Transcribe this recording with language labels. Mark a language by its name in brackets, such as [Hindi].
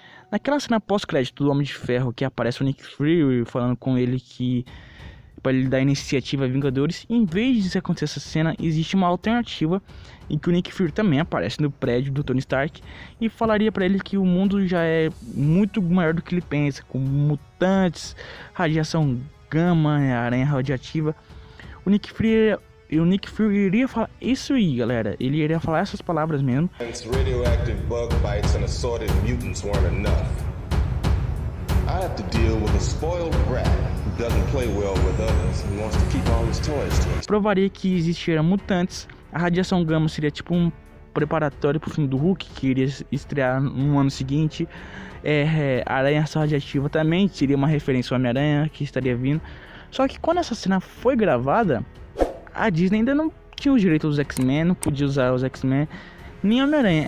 [Portuguese] Naquela cena pós-crédito do Homem de Ferro, que aparece o Nick Fury falando com ele que para ele dar iniciativa a Vingadores, em vez de acontecer essa cena, existe uma alternativa em que o Nick Fury também aparece no prédio do Tony Stark e falaria para ele que o mundo já é muito maior do que ele pensa, com mutantes, radiação gama, aranha radioativa. O Nick Fury iria falar isso aí, galera. Ele iria falar essas palavras mesmo. [English] It's radioactive bug bites and assorted mutants weren't enough. I have to deal with a spoiled brat who doesn't play well with others and wants to keep all his toys to himself. [Portuguese] Provaria que existiram mutantes. A radiação gama seria tipo um preparatório pro filme do Hulk, que iria estrear no ano seguinte. Aranha radioativa também seria uma referência ao Homem-Aranha que estaria vindo. Só que quando essa cena foi gravada, a Disney ainda não tinha os direitos dos X-Men, não podia usar os X-Men, nem Homem-Aranha.